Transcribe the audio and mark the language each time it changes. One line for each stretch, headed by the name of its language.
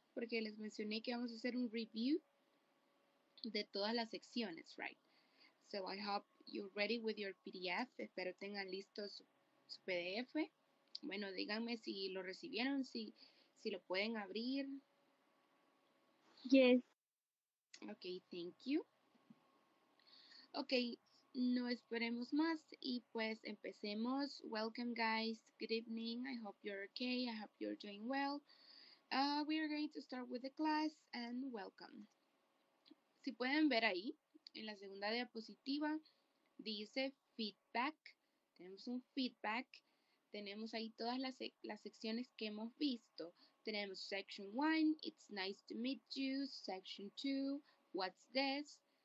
Spanish: Porque les mencioné que vamos a hacer un review de todas las secciones, right?
English: So I hope you're ready with your PDF.
Spanish: Espero tengan listo su PDF. Bueno, díganme si lo recibieron, si lo pueden abrir.
English: Yes. Okay, thank you. Okay,
Spanish: no esperemos más y pues empecemos.
English: Welcome, guys. Good evening. I hope you're okay. I hope you're doing well. We are going to start with the class and welcome.
Spanish: Si pueden ver ahí, en la segunda diapositiva, dice feedback. Tenemos un feedback. Tenemos ahí todas las secciones que hemos visto. Tenemos
English: section 1, it's nice to meet you. Section 2, what's this?